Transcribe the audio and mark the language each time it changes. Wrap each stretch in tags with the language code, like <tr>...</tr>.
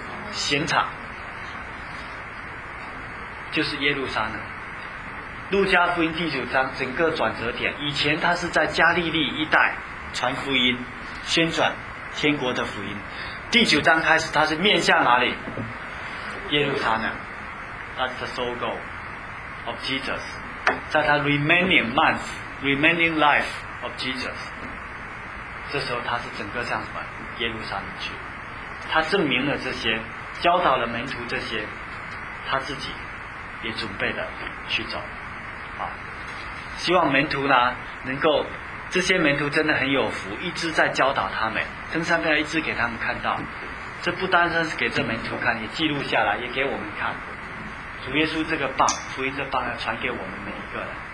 <zh>刑场，就是耶路撒冷。路加福音第九章整个转折点，以前他是在加利利一带传福音，宣传天国的福音。第九章开始，他是面向哪里？耶路撒冷。</zh> <en>That's the sole goal of Jesus.</en> <zh>在他</zh> <en>remaining months remaining life of Jesus，</en> <zh>这时候他是整个像什么耶路撒冷去，他证明了这些，教导了门徒这些，他自己也准备的去走，啊，希望门徒呢能够，这些门徒真的很有福，一直在教导他们，登山变相一直给他们看到，这不单单是给这门徒看，也记录下来，也给我们看，主耶稣这个棒，福音这棒要传给我们每一个人。</zh>